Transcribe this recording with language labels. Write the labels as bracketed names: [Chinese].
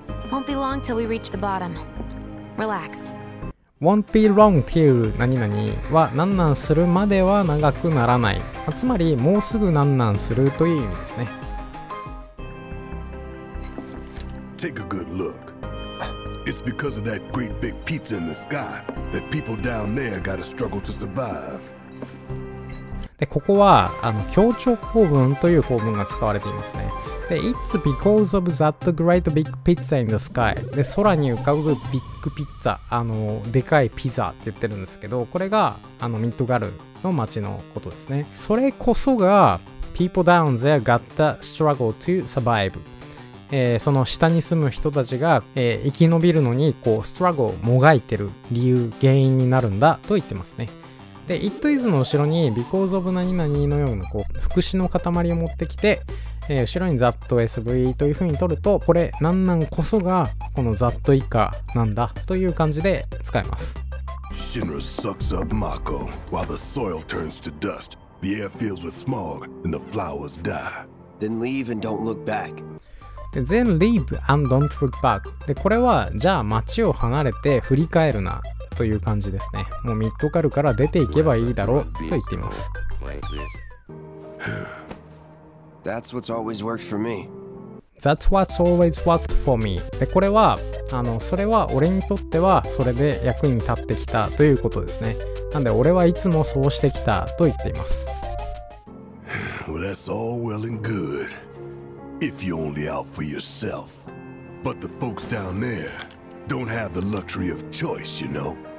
[English] Won't be long till we reach the bottom. Relax. Won't be long till [Japanese] 何々は何なんするまでは長くならない。つまりもうすぐ何なんするという意味ですね。 [English] Take a good look. It's because of that great big pizza in the sky. That people down there gotta struggle to survive. [Japanese] で、ここは強調構文という構文が使われていますね。 [English] で、It's because of that great big pizza in the sky. [Japanese] で、空に浮かぶビッグピッツァ、でかいピザって言ってるんですけど、これがミッドガルの町のことですね。それこそが [English] people down there gotta struggle to survive. [Japanese] その下に住む人たちが、生き延びるのにこうストラッグをもがいてる理由原因になるんだと言ってますね。で、It is の後ろに [English] Because of [Japanese] 何々のようなこう副詞の塊を持ってきて、後ろに That SV というふうに取ると、これ何なんこそがこの That 以下なんだという感じで使います。 [English] Shinra sucks up Mako while the soil turns to dust. The air fills with smog and the flowers die. Then leave and don't look back. Then leave and don't look back. [Japanese] で、これはじゃあ町を離れて振り返るなという感じですね。もうミッドガルから出ていけばいいだろうと言っています。 [English] That's what's always worked for me. That's what's always worked for me. [Japanese] で、これはそれは俺にとってはそれで役に立ってきたということですね。なんで俺はいつもそうしてきたと言っています。 [English] Well, that's all well and goodIf you're only out for yourself. But the folks down there don't have the luxury of choice, you know?